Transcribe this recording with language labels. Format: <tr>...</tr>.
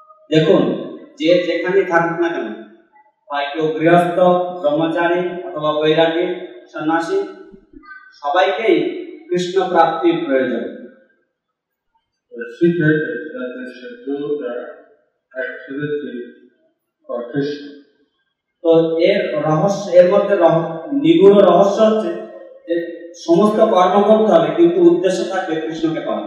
<bn>দেখুন যে যেখানে থাকুক না কেন কেউ গৃহস্থ ব্রহ্মচারী অথবা বৈরাগী সন্ন্যাসী সবাইকেই কৃষ্ণ প্রাপ্তির প্রয়োজন।</bn> <en>The secret is that they should do their activity for Krishna.</en> <bn>So, এর রহস্য এর মধ্যে নিগুড় রহস্য হচ্ছে যে সমস্ত কর্ম করতে হবে কিন্তু উদ্দেশ্য থাকবে কৃষ্ণকে</bn>